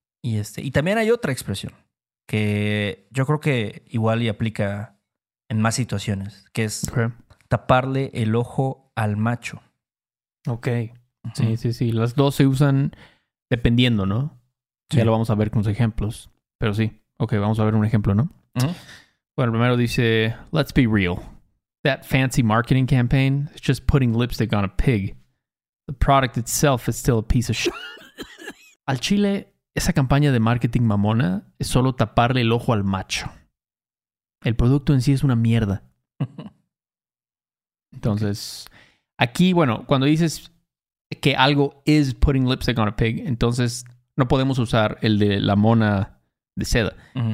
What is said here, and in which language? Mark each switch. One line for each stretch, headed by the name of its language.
Spanish: Y y también hay otra expresión que yo creo que igual y aplica en más situaciones, que es, okay, taparle el ojo al macho. Ok. Sí, sí, sí. Las dos se usan dependiendo, ¿no? Sí. Ya lo vamos a ver con los ejemplos. Pero sí. Ok, vamos a ver un ejemplo, ¿no? Uh-huh. Bueno, primero dice,
English: let's be real. That fancy marketing campaign is just putting lipstick on a pig. The product itself is still a piece of shit.
Spanish: Al chile, esa campaña de marketing mamona es solo taparle el ojo al macho. El producto en sí es una mierda. Entonces, aquí, bueno, cuando dices... Que algo
English: is putting lipstick on a pig.
Spanish: Entonces, no podemos usar el de la mona de seda. Uh-huh.